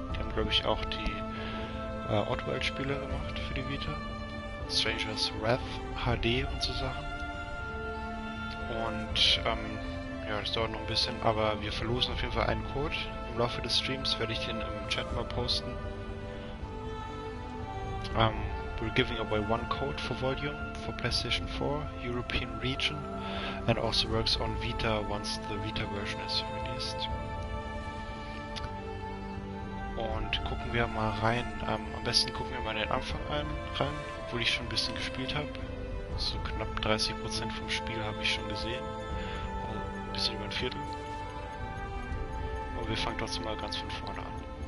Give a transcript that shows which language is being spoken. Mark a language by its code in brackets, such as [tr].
[de] Die haben, glaube ich, auch die Oddworld-Spiele gemacht für die Vita. Stranger's Wrath HD und so Sachen. Und ja, das dauert noch ein bisschen, aber wir verlosen auf jeden Fall einen Code. Im Laufe des Streams werde ich den im Chat mal posten. [en] We're giving away one code for Volume for PlayStation 4 European Region and also works on Vita once the Vita version is released. [de] Und gucken wir mal rein. Am besten gucken wir mal den Anfang rein, obwohl ich schon ein bisschen gespielt habe. So knapp 30% vom Spiel habe ich schon gesehen. Also ein bisschen über ein Viertel. Aber wir fangen trotzdem mal ganz von vorne an.